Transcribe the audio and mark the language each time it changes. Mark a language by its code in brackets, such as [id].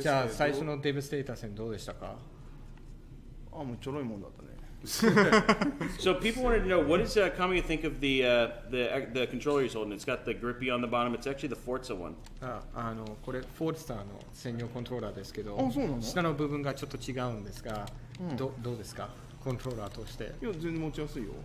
[ja] じゃあ、最初のデブステータス戦どうでしたか? あ、もうちょろいもんだったね。 [en] So people wanted to know, what does Kamiya think of the controller he's holding? It's got the grippy on the bottom. It's actually the Forza one. [ja] これ、Forza の専用コントローラーですけど、あ、そうなの? 下の部分がちょっと違うんですが、どうですか?コントローラーとして。いや、全然持ちやすいよ。